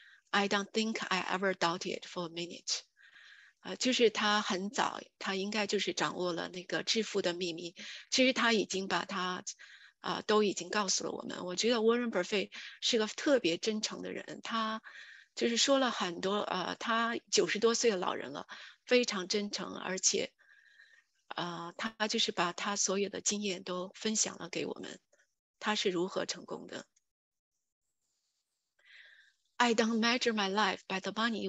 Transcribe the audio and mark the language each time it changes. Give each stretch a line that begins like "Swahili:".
English: I don't think I ever doubted for a minute.
Chinese: 就是他很早他应该就是掌握了那个致富的秘密，其实他已经把他都已经告诉了我们。我觉得 Warren Buffett 是个特别真诚的人，他就是说了很多他九十多岁的老人了，非常真诚，而且他就是把他所有的经验都分享了给我们，他是如何成功的。
English: I don't measure my life by the money.